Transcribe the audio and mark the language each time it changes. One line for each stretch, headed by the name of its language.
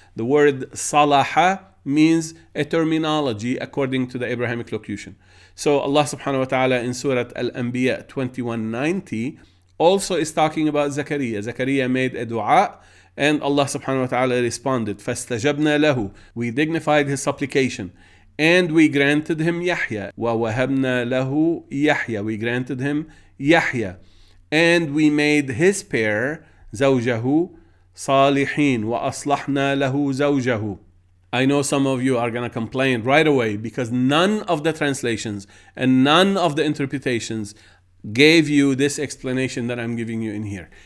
English: The word Salaha means a terminology according to the Abrahamic locution. So Allah subhanahu wa ta'ala in Surah Al-Anbiya 21:90 also is talking about Zakariya. Zakariya made a dua and Allah subhanahu wa ta'ala responded.
Arabic: فَاسْتَجَبْنَا لَهُ.
English: We dignified his supplication. And we granted him Yahya.
Arabic: وَوَهَبْنَا لَهُ Yahya.
English: We granted him Yahya. And we made his pair,
Arabic: زَوْجَهُ صَالِحِينَ وَأَصْلَحْنَا لَهُ زَوْجَهُ.
English: I know some of you are going to complain right away because none of the translations and none of the interpretations gave you this explanation that I'm giving you in here.